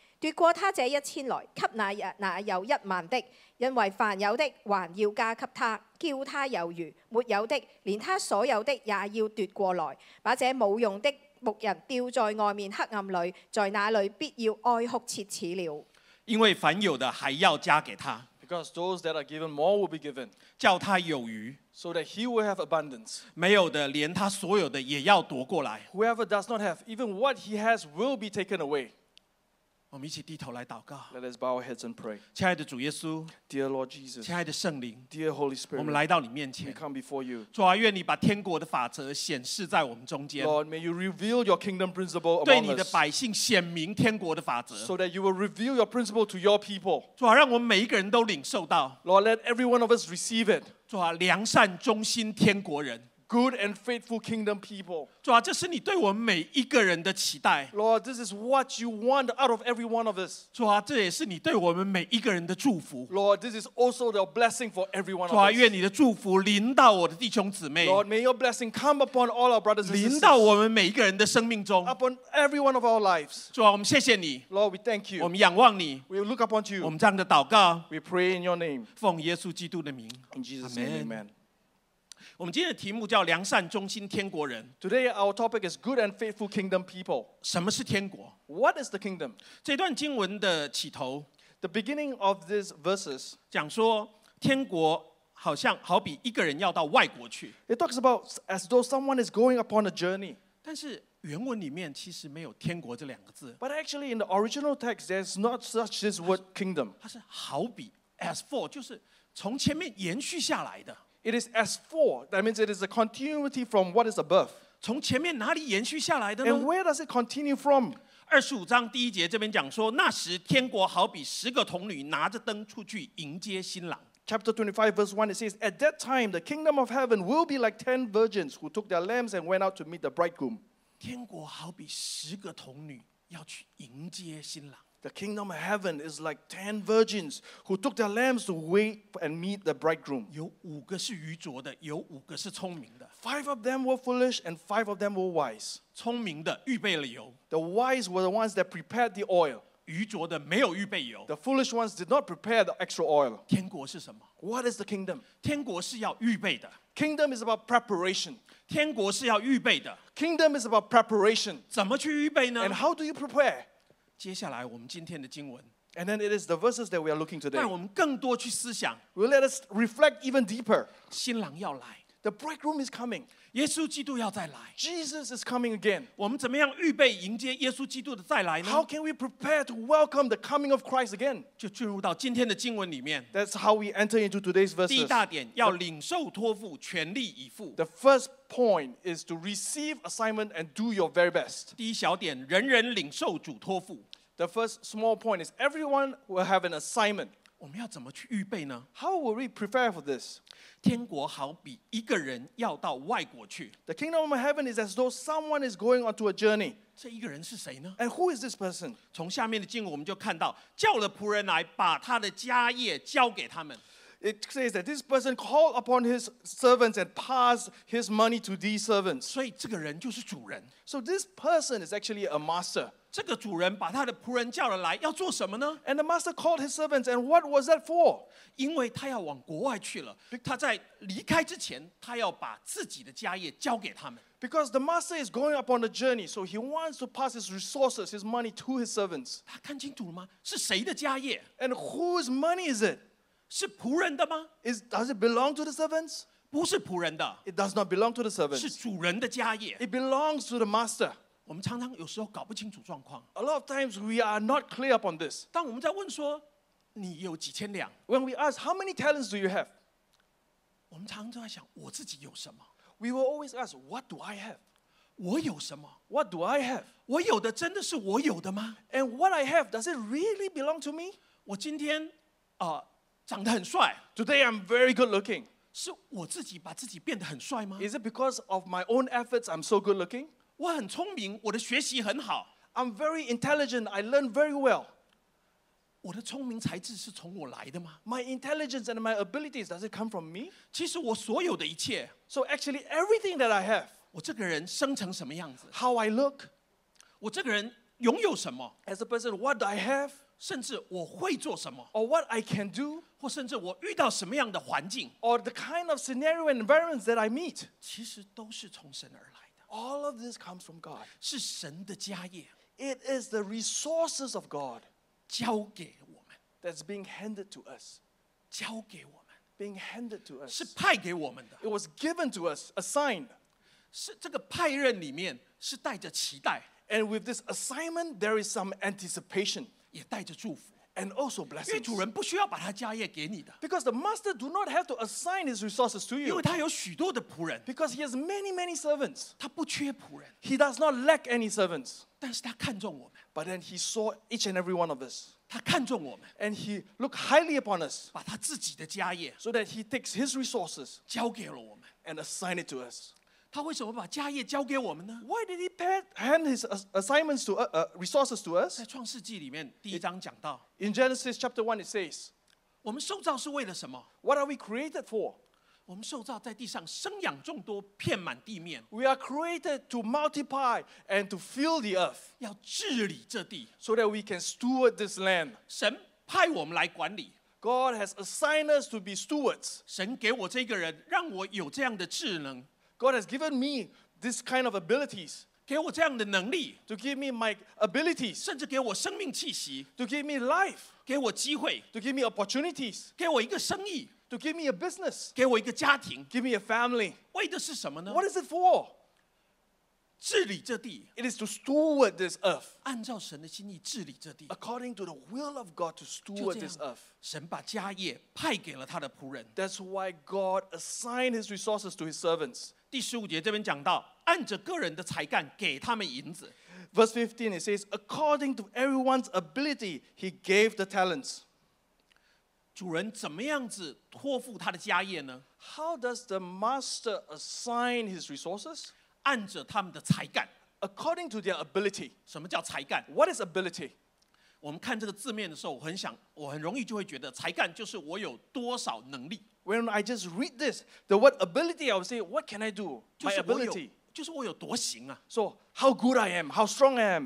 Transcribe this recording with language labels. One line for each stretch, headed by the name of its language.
Chinese: 夺过他这一千来，给那有一万的，因为凡有的还要加给他，叫他有余；没有的，连他所有的也要夺过来。把这无用的仆人丢在外面黑暗里，在那里必要哀哭切齿了。因为凡有的还要加给他。
English: Because those that are given more will be given.
Chinese: 叫他有余。
English: So that he will have abundance.
Chinese: 没有的，连他所有的也要夺过来。
English: Whoever does not have, even what he has will be taken away.
Chinese: 我们一起低头来祷告。
English: Let us bow our heads and pray.
Chinese: 亲爱的主耶稣
English: ，Dear Lord Jesus，
Chinese: 亲爱的圣灵
English: ，Dear Holy Spirit，
Chinese: 我们来到你面前。
English: We come before you.
Chinese: 主啊，愿你把天国的法则显示在我们中间。
English: Lord, may you reveal your kingdom principle among us.
Chinese: 对你的百姓显明天国的法则。
English: So that you will reveal your principle to your people.
Chinese: 主啊，让我们每一个人都领受到。
English: Lord, let every one of us receive it.
Chinese: 主啊，良善忠心天国人。
English: Good and faithful kingdom people.
Chinese: 主啊，这是你对我们每一个人的期待。
English: Lord, this is what you want out of every one of us.
Chinese: 主啊，这也是你对我们每一个人的祝福。
English: Lord, this is also the blessing for every one of us.
Chinese: 主啊，愿你的祝福临到我的弟兄姊妹。
English: Lord, may your blessing come upon all our brothers and sisters.
Chinese: 临到我们每一个人的生命中。
English: Upon every one of our lives.
Chinese: 主啊，我们谢谢你。
English: Lord, we thank you.
Chinese: 我们仰望你。
English: We look upon you.
Chinese: 我们这样的祷告。
English: We pray in your name.
Chinese: 奉耶稣基督的名。
English: In Jesus' name, amen.
Chinese: 我们今天的题目叫良善忠心天国人。
English: Today our topic is good and faithful kingdom people.
Chinese: 什么是天国？
English: What is the kingdom?
Chinese: 这段经文的起头，
English: The beginning of this verses
Chinese: 讲说天国好像好比一个人要到外国去。
English: It talks about as though someone is going upon a journey.
Chinese: 但是原文里面其实没有天国这两个字。
English: But actually in the original text there's not such this word kingdom.
Chinese: 它是好比
English: as for
Chinese: 就是从前面延续下来的。
English: It is as for, that means it is a continuity from what is above.
Chinese: 从前面哪里延续下来的呢？
English: And where does it continue from?
Chinese: 25章第一节这边讲说，那时天国好比十个童女拿着灯出去迎接新郎。
English: Chapter 25 verse 1 it says, At that time the kingdom of heaven will be like 10 virgins who took their lamps and went out to meet the bridegroom.
Chinese: 天国好比十个童女要去迎接新郎。
English: The kingdom of heaven is like 10 virgins who took their lamps to wait and meet the bridegroom.
Chinese: 有五个是愚拙的，有五个是聪明的。
English: 5 of them were foolish and 5 of them were wise.
Chinese: 聪明的预备了油。
English: The wise were the ones that prepared the oil.
Chinese: 愚拙的没有预备油。
English: The foolish ones did not prepare the extra oil.
Chinese: 天国是什么？
English: What is the kingdom?
Chinese: 天国是要预备的。
English: Kingdom is about preparation.
Chinese: 天国是要预备的。
English: Kingdom is about preparation.
Chinese: 怎么去预备呢？
English: And how do you prepare?
Chinese: 接下来我们今天的经文
English: And then it is the verses that we are looking today.
Chinese: 让我们更多去思想。
English: Let us reflect even deeper.
Chinese: 新郎要来。
English: The bridegroom is coming.
Chinese: 耶稣基督要再来。
English: Jesus is coming again.
Chinese: 我们怎么样预备迎接耶稣基督的再来呢？
English: How can we prepare to welcome the coming of Christ again?
Chinese: 就进入到今天的经文里面。
English: That's how we enter into today's verses.
Chinese: 第一大点，要领受托付，全力以赴。
English: The first point is to receive assignment and do your very best.
Chinese: 第一小点，人人领受主托付。
English: The first small point is everyone will have an assignment.
Chinese: 我们要怎么去预备呢？
English: How will we prepare for this?
Chinese: 天国好比一个人要到外国去。
English: The kingdom of heaven is as though someone is going onto a journey.
Chinese: 这一个人是谁呢？
English: And who is this person?
Chinese: 从下面的经文我们就看到，叫了仆人来，把他的家业交给他们。
English: It says that this person called upon his servants and passed his money to these servants.
Chinese: 所以这个人就是主人。
English: So this person is actually a master.
Chinese: 这个主人把他的仆人叫了来，要做什么呢？
English: And the master called his servants, and what was that for?
Chinese: 因为他要往国外去了，他在离开之前，他要把自己的家业交给他们。
English: Because the master is going upon a journey, so he wants to pass his resources, his money to his servants.
Chinese: 他看清楚了吗？是谁的家业？
English: And whose money is it?
Chinese: 是仆人的吗？
English: Does it belong to the servants?
Chinese: 不是仆人的。
English: It does not belong to the servants.
Chinese: 是主人的家业。
English: It belongs to the master.
Chinese: 我们常常有时候搞不清楚状况。
English: A lot of times we are not clear upon this.
Chinese: 当我们在问说，你有几千两？
English: When we ask, how many talents do you have?
Chinese: 我们常常在想，我自己有什么？
English: We will always ask, what do I have?
Chinese: 我有什么？
English: What do I have?
Chinese: 我有的真的是我有的吗？
English: And what I have, does it really belong to me?
Chinese: 我今天啊，长得很帅。
English: Today I'm very good looking.
Chinese: 是我自己把自己变得很帅吗？
English: Is it because of my own efforts I'm so good looking?
Chinese: 我很聪明，我的学习很好。
English: I'm very intelligent. I learn very well.
Chinese: 我的聪明才智是从我来的吗？
English: My intelligence and my abilities, does it come from me?
Chinese: 其实我所有的一切。
English: So actually, everything that I have.
Chinese: 我这个人生成什么样子？
English: How I look.
Chinese: 我这个人拥有什么？
English: As a person, what I have.
Chinese: 甚至我会做什么？
English: Or what I can do.
Chinese: 或甚至我遇到什么样的环境？
English: Or the kind of scenario and environments that I meet.
Chinese: 其实都是从神而来。
English: All of this comes from God.
Chinese: 是神的家业。
English: It is the resources of God.
Chinese: 交给我们。
English: That's being handed to us.
Chinese: 交给我们。
English: Being handed to us.
Chinese: 是派给我们的。
English: It was given to us, assigned.
Chinese: 是这个派任里面是带着期待。
English: And with this assignment, there is some anticipation.
Chinese: 也带着祝福。
English: And also blessings.
Chinese: 因为主人不需要把他家业给你的。
English: Because the master do not have to assign his resources to you.
Chinese: 因为他有许多的仆人。
English: Because he has many, many servants.
Chinese: 他不缺仆人。
English: He does not lack any servants.
Chinese: 但是他看重我们。
English: But then he saw each and every one of us.
Chinese: 他看重我们。
English: And he looked highly upon us.
Chinese: 把他自己的家业。
English: So that he takes his resources.
Chinese: 交给了我们。
English: And assign it to us.
Chinese: 他为什么把家业交给我们呢？
English: Why did he hand his assignments to resources to us?
Chinese: 在创世纪里面第一章讲到。
English: In Genesis chapter 1 it says,
Chinese: 我们受造是为了什么？
English: What are we created for?
Chinese: 我们受造在地上生养众多，遍满地面。
English: We are created to multiply and to fill the earth.
Chinese: 要治理这地。
English: So that we can steward this land.
Chinese: 神派我们来管理。
English: God has assigned us to be stewards.
Chinese: 神给我这个人，让我有这样的智能。
English: God has given me this kind of abilities.
Chinese: 给我这样的能力。
English: To give me my abilities.
Chinese: 甚至给我生命气息。
English: To give me life.
Chinese: 给我机会。
English: To give me opportunities.
Chinese: 给我一个生意。
English: To give me a business.
Chinese: 给我一个家庭。
English: Give me a family.
Chinese: 为的是什么呢？
English: What is it for?
Chinese: 治理这地。
English: It is to steward this earth.
Chinese: 按照神的心意治理这地。
English: According to the will of God to steward this earth.
Chinese: 神把家业派给了他的仆人。
English: That's why God assigned his resources to his servants.
Chinese: 第十五节这边讲到，按着个人的才干给他们银子。
English: Verse 15 it says, according to everyone's ability, he gave the talents.
Chinese: 主人怎么样子托付他的家业呢？
English: How does the master assign his resources?
Chinese: 按着他们的才干。
English: According to their ability.
Chinese: 什么叫才干？
English: What is ability?
Chinese: 我们看这个字面的时候，我很容易就会觉得才干就是我有多少能力。
English: When I just read this, the word ability, I would say, what can I do? My ability.
Chinese: 就是我有多行啊。
English: So, how good I am, how strong I am.